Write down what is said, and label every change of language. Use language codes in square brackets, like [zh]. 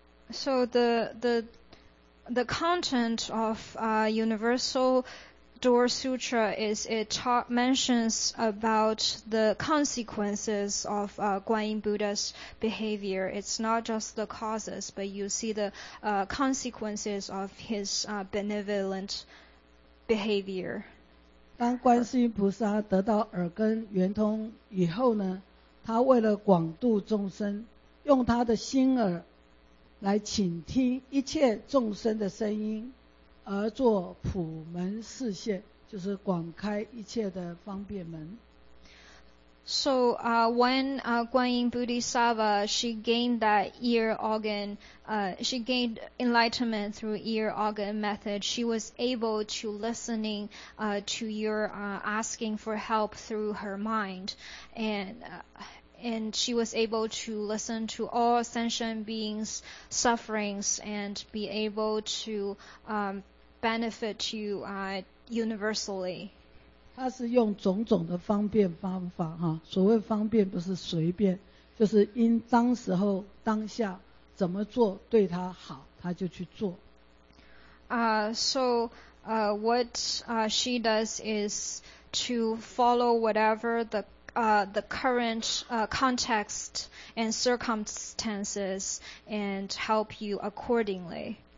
[en] So the content of Universal Door Sutra is mentions about the consequences of Guanyin Buddha's behavior. It's not just the causes, but you see the consequences of his benevolent behavior. [zh] 当观世音菩萨得到耳根圆通以后呢，他为了广度众生，用他的心耳来倾听一切众生的声音，而做普门示现。就是广开一切的方便门。 [en] So when Guanyin Bodhisattva, she gained that ear organ, she gained enlightenment through ear organ method, she was able to listening to your asking for help through her mind. And and she was able to listen to all sentient beings' sufferings and be able to benefit you universally. [zh] 她是用种种的方便方法，所谓方便不是随便，就是因当时候当下怎么做对她好，她就去做。 [en] So what she does is to follow whatever the current context and circumstances and help you accordingly.